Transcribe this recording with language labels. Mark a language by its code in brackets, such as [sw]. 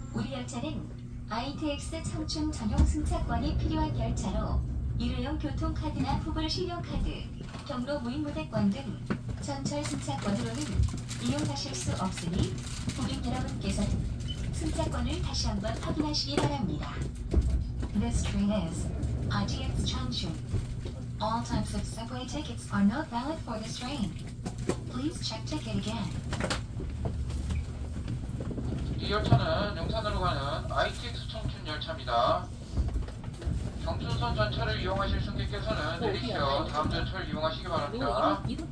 [ko] 열차는 ITX 청춘 전용 승차권이 필요한 열차로 일회용 교통카드나 후불 신용카드, 경로 무인무대권 등 전철 승차권으로는 이용하실 수 없으니 고객 여러분께서는 승차권을 다시 한번 확인하시기 바랍니다. [en] This train is ITX 청춘. All types of subway tickets are not valid for this train. Please check ticket again. [ko] 이 열차는 용산으로 가는 ITX 청춘 열차입니다. 경춘선 전철을 이용하실 승객께서는 내리시어 다음 전철 이용하시기 바랍니다.